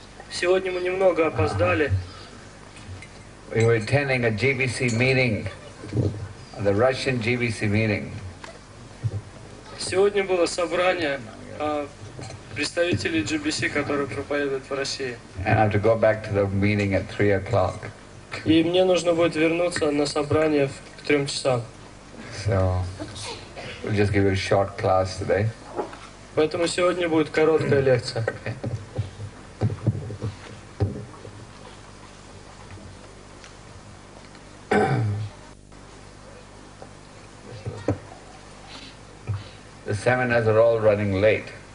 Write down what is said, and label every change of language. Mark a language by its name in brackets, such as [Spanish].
[Russian] Сегодня мы немного опоздали. [English] We were attending a GBC meeting, the Russian GBC meeting. [Russian] Сегодня было собрание представителей GBC, которые проповедуют в России. [English] And I have to go back to the meeting at 3 o'clock. [Russian] И мне нужно будет вернуться на собрание к 3 часам. [English] So we'll just give you a short class today. [Russian] Поэтому сегодня будет короткая лекция. [English] The seminars are all running late.